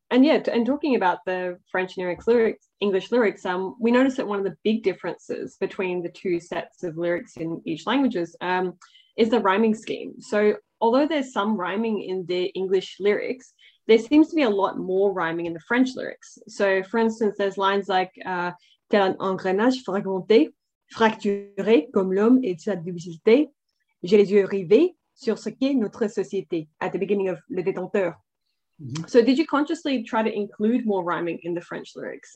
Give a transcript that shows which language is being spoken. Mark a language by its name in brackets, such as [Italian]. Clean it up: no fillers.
[English] And yeah, and talking about the French and English lyrics, we noticed that one of the big differences between the two sets of lyrics in each languages is the rhyming scheme. So although there's some rhyming in the English lyrics, there seems to be a lot more rhyming in the French lyrics. So for instance, there's lines like, [French] t'as un engrenage fragmenté, fracturé comme l'homme et sa divinité, j'ai les yeux rivés sur ce qu'est notre société, [English] at the beginning of [French] Le Détenteur. [English] Mm-hmm. So did you consciously try to include more rhyming in the French lyrics?